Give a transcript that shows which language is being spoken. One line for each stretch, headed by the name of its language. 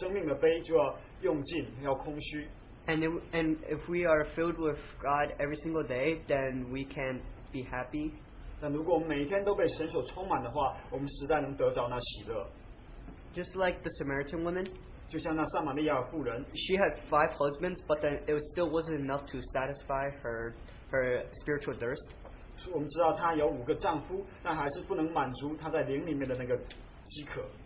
Chinese: 所以这就讲到说，如果我们只信靠我们自己，那迟早我们这生命的杯就要用尽，要空虚。
English: And if we are filled with God every single day, then we can be happy.
Chinese: 但如果我们每一天都被神所充满的话，我们实在能得着那喜乐。
English: Just like the Samaritan woman.
Chinese: 就像那撒玛利亚妇人,
English: she had five husbands, but then it still wasn't enough to satisfy her spiritual thirst.
Chinese: 我们知道她有五个丈夫, 但还是不能满足她在灵里面的那个饥渴。